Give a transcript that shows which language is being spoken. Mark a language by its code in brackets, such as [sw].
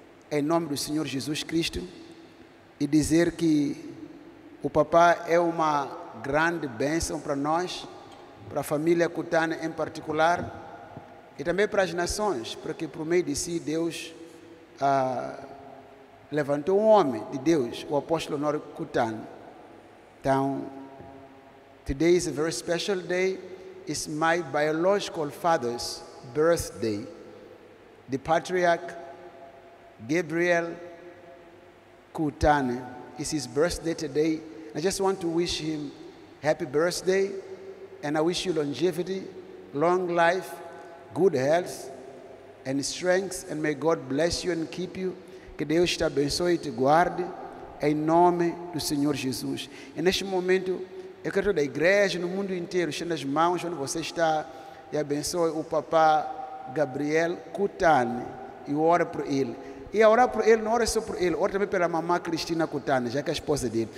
[pt] em nome do Senhor Jesus Cristo, e dizer que o papá é uma grande bênção para nós, para a família Kutane em particular, e também para as nações, porque por meio de si Deus levantou um homem de Deus, o apóstolo Honório Kutane. [en] Então, today is a very special day. It's my biological father's birthday. The patriarch Gabriel Kutane is his birthday today. I just want to wish him happy birthday, and I wish you longevity, long life, good health, and strength, and may God bless you and keep you. [pt] Que Deus te abençoe e te guarde, em nome do Senhor Jesus. E neste momento, eu quero toda a igreja, no mundo inteiro, estendo as mãos onde você está, e abençoe o papá Gabriel Kutane, e ora por ele. E a orar por ele, não ora só por ele, ora também pela mamãe Cristina Kutane, já que é a esposa dele.